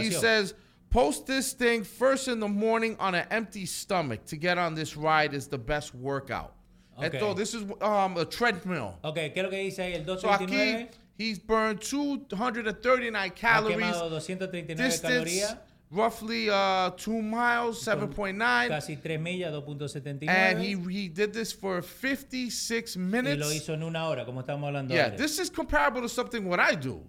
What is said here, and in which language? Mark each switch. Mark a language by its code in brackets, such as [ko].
[en] He says, post this thing first in the morning on an empty stomach to get on this ride is the best workout. Okay. Esto, this is a treadmill. [es] Okay, ¿qué es lo que dice ahí? El 239. [en] So aquí, he's burned 239 calories. [es] Ha quemado 239 calorías. [en] roughly 2 miles, 7.9. [es] Casi 3 millas, 2.79. [en] And he did this for 56 minutes. [es] Y lo hizo en una hora, como estamos hablando ahora. [en] Yeah, this is comparable to something what I do.